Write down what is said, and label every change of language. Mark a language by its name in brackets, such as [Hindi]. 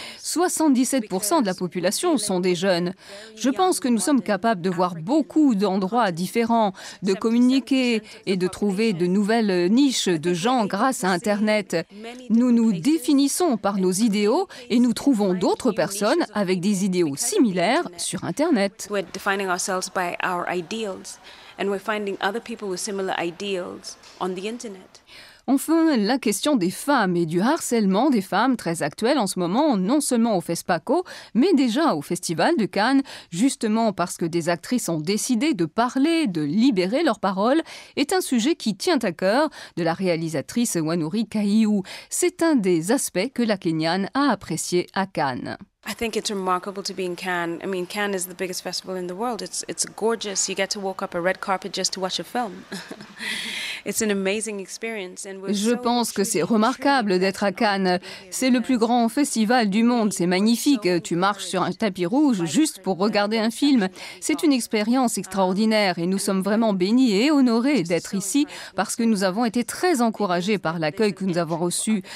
[French] 77% de la population sont des jeunes. Je pense que nous sommes capables de voir beaucoup d'endroits différents, de communiquer et de trouver de nouvelles niches de gens grâce à Internet. Nous nous définissons par nos idéaux et nous trouvons d'autres personnes avec des idéaux similaires sur Internet. [English] We're defining ourselves by our ideals and we're finding other people with similar ideals on the Internet. [French] Enfin, la question des femmes et du harcèlement des femmes, très actuelle en ce moment, non seulement au FESPACO, mais déjà au Festival de Cannes, justement parce que des actrices ont décidé de parler, de libérer leur parole, est un sujet qui tient à cœur de la réalisatrice Wanuri Kahiu. C'est un des aspects que la Kenyane a apprécié à Cannes. [English] I think it's remarkable to be in Cannes. I mean, Cannes is the biggest festival in the world. It's gorgeous. You get to walk up a red carpet just to watch a film. It's an amazing experience. [French] Je pense que c'est remarquable d'être à Cannes. C'est le plus grand festival du monde. C'est magnifique. Tu marches sur un tapis rouge juste pour regarder un film. C'est une expérience extraordinaire et nous sommes vraiment bénis et honorés d'être ici parce que nous avons été très encouragés par l'accueil que nous avons reçu.